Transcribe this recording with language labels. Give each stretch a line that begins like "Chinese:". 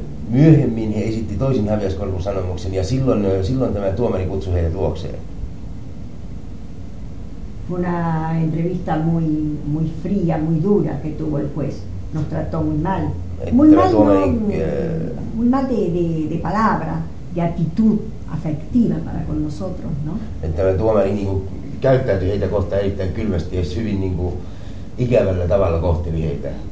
Finnish: Myöhemmin he esitti toisen habeas corpus sanomuksen ja silloin tämä tuomari kutsui heidät luokseen.
Spanish: Fue una entrevista muy, muy fría, muy dura que tuvo el juez. Nos trató muy mal. Muy mal, no, muy mal de palabra, de actitud afectiva para con nosotros, ¿no?
Finnish: Tämä tuomari niin kuin käyttäytyi heitä kohtaan erittäin kylmästi ja hyvin niin kuin ikävällä tavalla kohteli heitä.